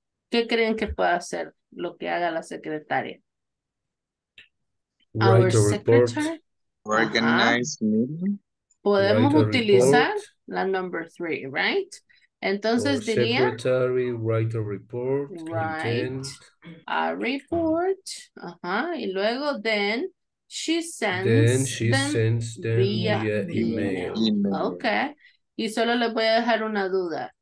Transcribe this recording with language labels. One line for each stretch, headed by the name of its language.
Spanish: ¿Qué creen que puede hacer lo que haga la secretaria?
English: Our secretary, organize meeting.
Spanish: Podemos utilizar la
English: number three, right?
Spanish: Entonces
English: our
Spanish: diría...
English: secretary, write a report. Uh-huh.
Spanish: Y luego,
English: then she sends them via email. Ok.
Spanish: Y solo le voy a dejar una duda.